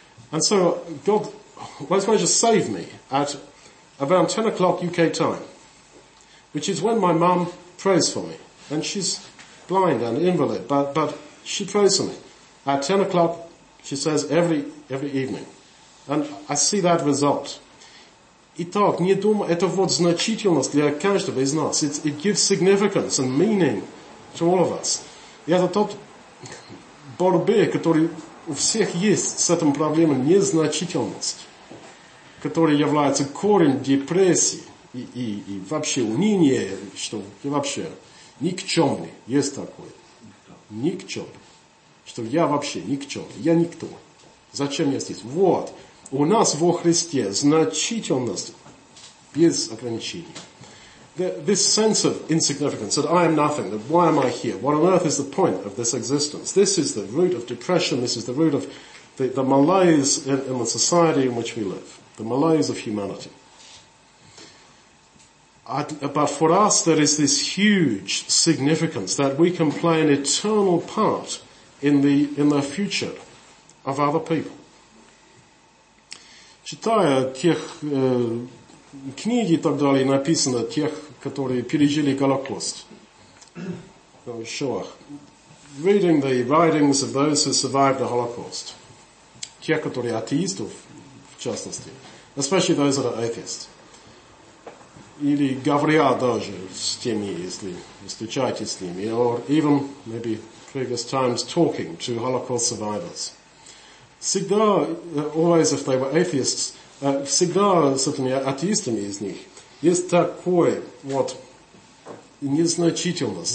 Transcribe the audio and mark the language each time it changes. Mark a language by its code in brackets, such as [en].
[en] And so God was going to save me at around 10 o'clock UK time, which is when my mom prays for me. And she's blind and invalid, but she prays for me. At 10 o'clock, she says, every evening. And I see that result. [ru] Итак, не думаю, это вот значительность для каждого из нас. It gives significance and meaning to all of us. И это тот борьбе, который у всех есть с этим проблемой незначительности, который является корень депрессии и вообще уныния, что и вообще никчемный. Есть такое? Никчемный. Что я вообще никчемный. Я никто. Зачем я здесь? Вот. У нас во Христе значительность без ограничений. [en] This sense of insignificance, that I am nothing, that why am I here? What on earth is the point of this existence? This is the root of depression, this is the root of the malaise in the society in which we live, the malaise of humanity. But for us, there is this huge significance that we can play an eternal part in the future of other people. [ru] Читая тех книги и так далее, написано тех, которые пережили Голокост. [en] Reading the writings of those who survived the Holocaust. [ru] Тех, которые атеисты, в частности. [en] Especially those that are atheists. [ru] Или говоря даже с теми, если встречаетесь с ними. [en] Or even, maybe previous times, talking to Holocaust survivors. [ru] Всегда, [en] always [ru] if they were atheists, всегда с этими атеистами из них есть такое вот незначительность.